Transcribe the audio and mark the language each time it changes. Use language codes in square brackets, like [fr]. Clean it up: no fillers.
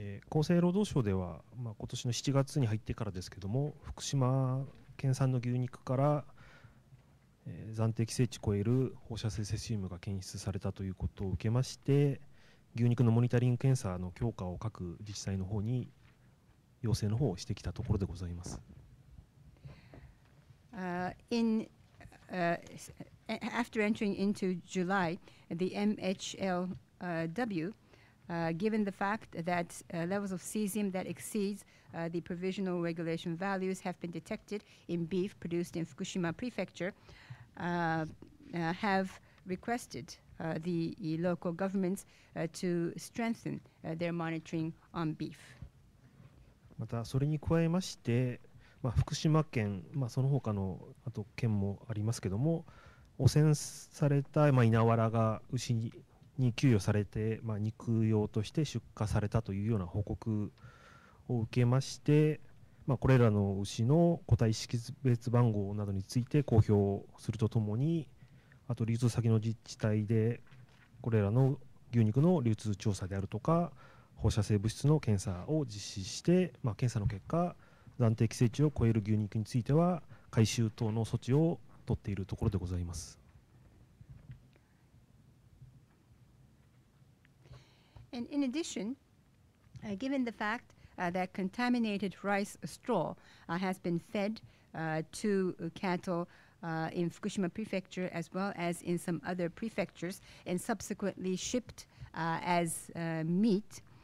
[ja] 厚生労働省では、まあ、今年の7月に入ってからですけども、福島県産の牛肉から、暫定規制値を超える放射性セシウムが検出されたということを受けまして、牛肉のモニタリング検査の強化を各自治体の方に要請の方をしてきたところでございます。 [en] After entering into July, the MHLW,given the fact that, levels of cesium that exceeds, the provisional regulation values have been detected in beef produced in Fukushima Prefecture, have requested, the, local governments, to strengthen, their monitoring on beef. [ja] またそれに加えまして、まあ、福島県、まあ、その他のあと県もありますけども、汚染された、まあ、稲わらが牛にに給与されて、まあ、肉用として出荷されたというような報告を受けまして、まあ、これらの牛の個体識別番号などについて公表するとともに、あと流通先の自治体でこれらの牛肉の流通調査であるとか放射性物質の検査を実施して、まあ、検査の結果暫定規制値を超える牛肉については回収等の措置を取っているところでございます。 [en] And in addition, given the fact, that contaminated rice straw, has been fed, to cattle, in Fukushima Prefecture as well as in some other prefectures and subsequently shipped, as, meat,